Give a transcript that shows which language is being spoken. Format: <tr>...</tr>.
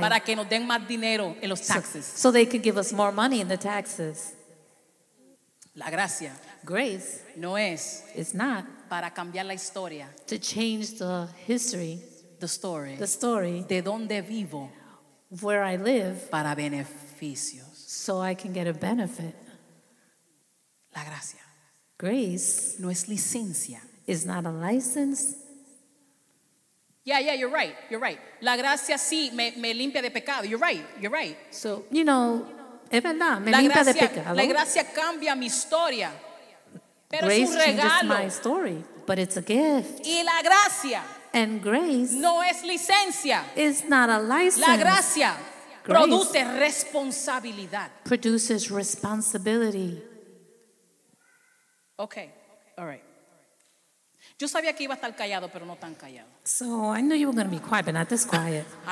<es>Para que nos den más dinero en los taxes.</es> <en>So they could give us more money in the taxes.</en> <es>La gracia.</es> <en>Grace.</en> <es>No es.</es> <en>It's not.</en> <es>Para cambiar la historia.</es> <en>To change the history. The story.</en> <es>De donde vivo.</es> <en>Where I live.</en> <es>Para beneficios.</es> <en>So I can get a benefit.</en> <es>La gracia.</es> <en>Grace.</en> <es>No es licencia.</es> <en>Is not a license. Yeah, you're right.</en> <es>La gracia sí me limpia de pecado.</es> <en>You're right. So, you know,</en> <es>es verdad, me limpia de pecado. La gracia cambia mi historia. Pero</es> <en>grace</en> <es>es un regalo.</es> <en>Changes my story, but it's a gift.</en> <es>Y la gracia.</es> <en>And grace.</en> <es>No es licencia.</es> <en>It's not a license.</en> <es>La gracia.</es> <en>Grace.</en> <es>Produce responsabilidad.</es> <en>Produces responsibility. Okay. All right.</en> <es>Yo sabía que iba a estar callado, pero no tan callado.</es> <en>So I knew you were going to be quiet, but not this quiet.</en>